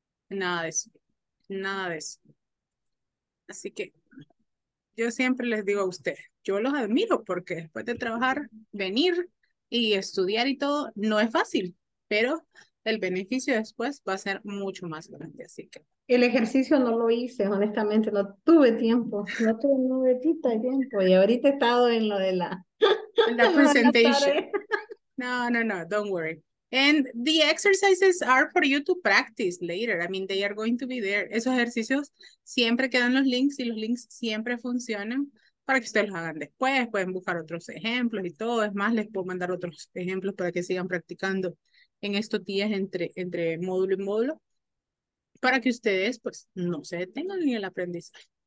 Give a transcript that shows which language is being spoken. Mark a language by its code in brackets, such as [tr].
[es] Nada de eso, nada de eso. Así que yo siempre les digo a ustedes, yo los admiro porque después de trabajar, venir y estudiar y todo, no es fácil, pero el beneficio después va a ser mucho más grande. Así que El ejercicio no lo hice, honestamente, no tuve tiempo, no tuve novetita tiempo y ahorita he estado en lo de la la la presentación. tarea. [en] No, no, no, don't worry. And the exercises are for you to practice later. I mean, they are going to be there. [es] Esos ejercicios siempre quedan los links y los links siempre funcionan para que ustedes los hagan después. Pueden buscar otros ejemplos y todo. Es más, les puedo mandar otros ejemplos para que sigan practicando en estos días entre módulo y módulo para que ustedes, pues, no se detengan en el aprendizaje.